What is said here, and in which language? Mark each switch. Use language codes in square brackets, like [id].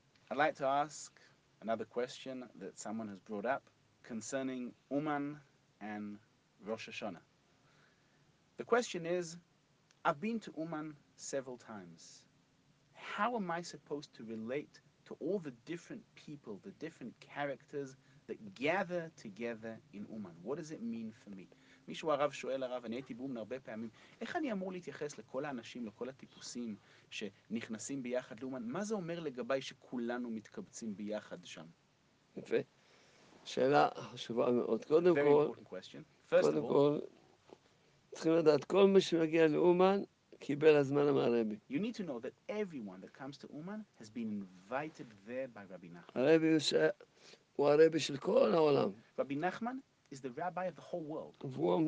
[en] I'd like to ask another question that someone has brought up concerning Uman and Rosh Hashanah. The question is, I've been to Uman several times. How am I supposed to relate to all the different people, the different characters that gather together in Uman? What does it mean for me? [he] מישהו הרב שואל הרב, אני הייתי באומן הרבה פעמים, איך אני אמור להתייחס לכל האנשים, לכל הטיפוסים שנכנסים ביחד לאומן? מה זה אומר לגבי שכולנו מתקבצים ביחד שם? יפה. שאלה חשובה מאוד. קודם כל, צריכים לדעת, כל מי שמגיע לאומן, קיבל הזמן מהרבי. [en] You need to know that everyone that comes to Uman has been invited there by Rabbi Nachman. [he] הרבי הוא הרבי של כל העולם. [en] Rabbi Nachman is the rabbi of the whole world.